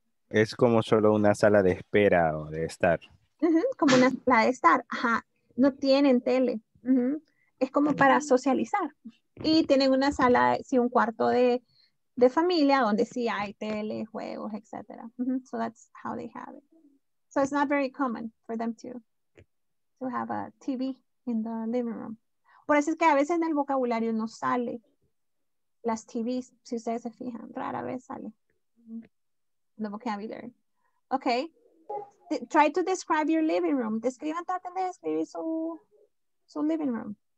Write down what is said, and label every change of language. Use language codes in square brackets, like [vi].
[es] Es como solo una sala de espera o de estar. Como una sala de estar, ajá. No tienen tele. Es como para socializar. Y tienen una sala, sí, un cuarto de familia donde sí hay tele, juegos, etc. [en] So that's how they have it. So it's not very common for them to have a TV in the living room. [es] Por eso es que a veces en el vocabulario no sale las TVs, si ustedes se fijan, rara vez sale. [en] The vocabulary. Okay. Try to describe your living room. [es] Describan, traten de describir su living room.